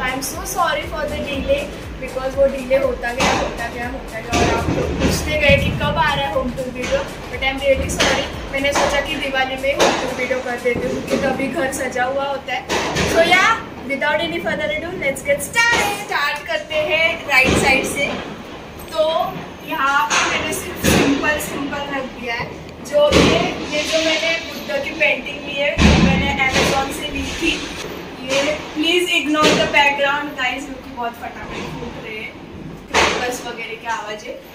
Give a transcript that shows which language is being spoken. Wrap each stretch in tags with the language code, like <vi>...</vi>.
<en>I'm so sorry for the delay, because</en> <hi>वो delay होता गया और आप लोग पूछते गए कि कब आ रहा है</hi> <en>home tour video. But I'm really sorry.</en> <hi>मैंने सोचा कि दिवाली में home tour video कर देती हूँ, क्योंकि कभी घर सजा हुआ होता है.</hi> <en>So yeah, without any further ado, let's get started. Start</en> <hi>करते हैं right side से. तो यहाँ पर मैंने सिर्फ simple रख दिया है. जो ये जो मैंने बुद्ध की पेंटिंग ली है, मैंने अमेजोन से ली थी. ये please ignore the background guys, क्योंकि बहुत फटाफट फूट रहे क्रैकर्स वगैरह की आवाज है.</hi>